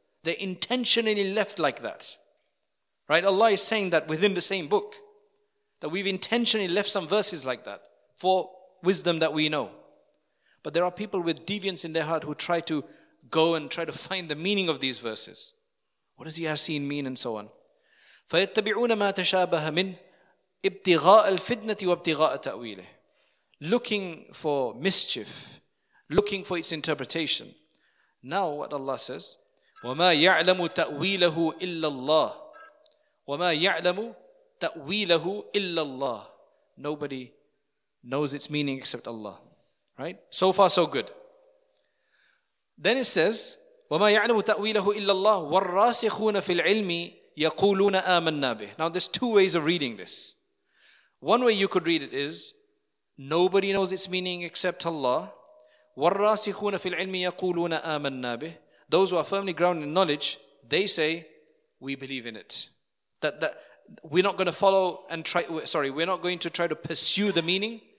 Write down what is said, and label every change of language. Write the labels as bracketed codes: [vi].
[en] They're intentionally left like that. Right? Allah is saying that within the same book, that we've intentionally left some verses like that for wisdom that we know. But there are people with deviance in their heart who try to go and try to find the meaning of these verses. What does Yasin mean and so on? [ar] فَيَتَّبِعُونَ مَا تَشَابَهَ مِنْ ابْتِغَاءَ الْفِدْنَةِ وَابْتِغَاءَ تَأْوِيلِهِ, [en] looking for mischief, looking for its interpretation. Now what Allah says, [ar] وَمَا يَعْلَمُ تَأْوِيلَهُ إِلَّا اللَّهِ, [en] وَمَا يَعْلَمُ تَأْوِيلَهُ إِلَّا اللَّهِ, nobody knows its meaning except Allah. Right? So far so good. Then it says, [ar] وَمَا يَعْلَمُ تَأْوِيلَهُ إِلَّا اللَّهِ وَالرَّاسِخُونَ فِي الْعِلْمِ يَقُولُونَ آمَنَّا بِهِ. [en] Now there's two ways of reading this. One way you could read it is, nobody knows its meaning except Allah. [ar] وَالرَّاسِخُونَ فِي الْعِلْمِ يَقُولُونَ آمَنَّا بِهِ, [en] those who are firmly grounded in knowledge, they say, we believe in it. That we're not going to follow and try, sorry, we're not going to try to pursue the meaning.